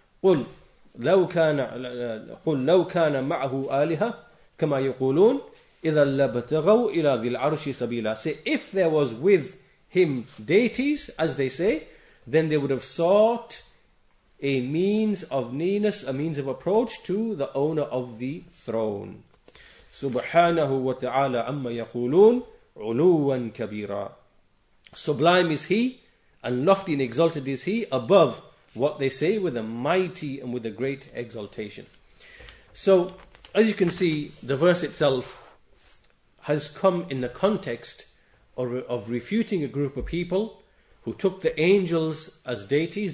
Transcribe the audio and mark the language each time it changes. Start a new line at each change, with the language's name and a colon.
Arabic: قُلْ لَوْ كَانَ مَعَهُ آلِهَةٌ كَمَا يَقُولُونَ إِذَا لَبْتَغَوْا إِلَى ذِي الْعَرْشِ سَبِيلًا.
English: Say, if there was with him deities, as they say, then they would have sought a means of nearness, a means of approach to the owner of the throne.
Arabic: سُبْحَانَهُ وَتَعَالَى أَمَّا يَقُولُونَ عُلُوًا كَبِيرًا.
English: Sublime is He, and lofty and exalted is He above what they say, with a mighty and with a great exaltation. So, as you can see, the verse itself has come in the context of refuting a group of people who took the angels as deities.